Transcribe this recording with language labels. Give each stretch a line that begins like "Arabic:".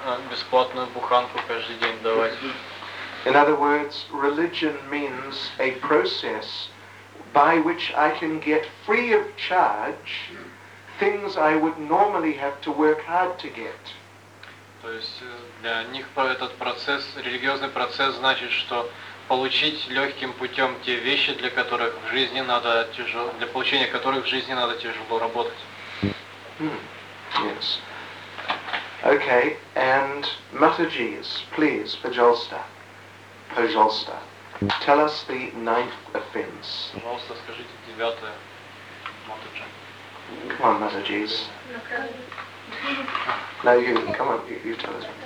Russian: Бесплатную буханку каждый день давать.
English: In other words, religion means a process by which I can get free of charge things I would normally have to work hard to get.
Russian: То есть для них этот процесс, религиозный процесс, значит, что получить легким путем те вещи, для которых в жизни надо тяжело, для получения которых в жизни надо тяжело работать.
English: Yes. Okay, and Matajis, please, Pajolsta, tell us the ninth offense.
Russian: Пожалуйста, скажите девятое, Матаджи.
English: Come on, Matajis. Now you, come on, you tell us.